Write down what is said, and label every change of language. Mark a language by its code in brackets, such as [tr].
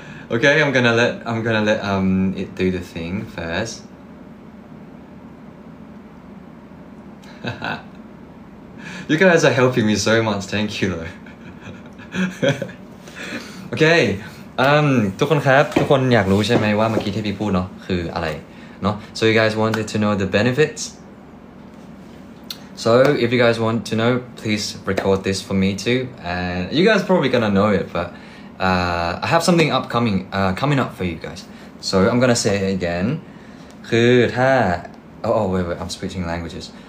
[en] Okay, I'm gonna let it do the thing first. You guys are helping me so much, thank you though. [th] Okay, ทุกคนครับทุกคนอยากรู้ใช่ไหมว่าเมื่อกี้ที่พี่พูดเนาะคืออะไรเนาะ [en] So you guys wanted to know the benefits. So if you guys want to know, please record this for me too. And you guys probably gonna know it, but I have something coming up for you guys. So I'm gonna say it again. [th] คือถ้า [en] Oh wait, I'm switching languages.